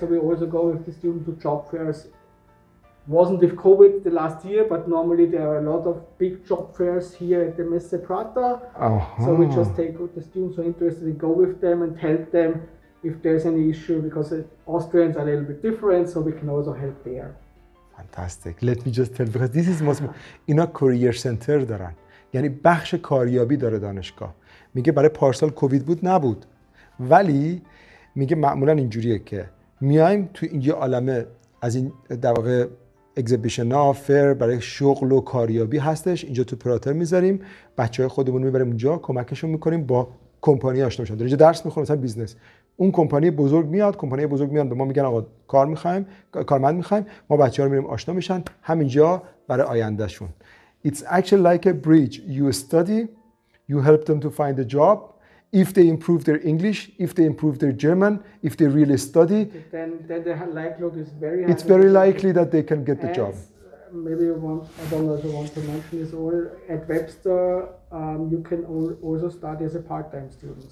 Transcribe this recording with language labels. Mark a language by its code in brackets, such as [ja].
[en] So we also go with the students to job fairs. Wasn't with COVID the last year, but normally there are a lot of big job fairs here at the Messe Prater. So we just take the students who are interested and go with them and help them if there's any issue, because Austrians are a little bit different, so we can also help there. Fantastic. Let me just tell, because this is most... [fa] اینا [en] career center [fa] دارن. یعنی بخش کاریابی داره دانشگاه. میگه برای پارسال کووید بود نبود. ولی میگه معمولا اینجوریه که میایم تو این یه عالمه از این در واقع اگزیبیشن ها فیر برای شغل و کاریابی هستش. اینجا تو پراتر میذاریم. بچه های خودمون میبریم اونجا. کمکشون میکنیم با کمپانی آشنا بشن. در اینجا درس میخونم مثلا بیزنس. اون کمپانی بزرگ میاد، کمپانی بزرگ میاد به ما میگن آقا کار میخوایم، کارمند میخوایم، ما بچه ها رو میریم آشنا میشن همینجا برای آینده شون. [en] It's actually like a bridge. You study, you help them to find a job. If they improve their English, if they improve their German, if they really study, then the likelihood is very high. It's very likely that they can get the job. Maybe you want, I don't know if you want to mention this, or at Webster, you can also study as a part-time student.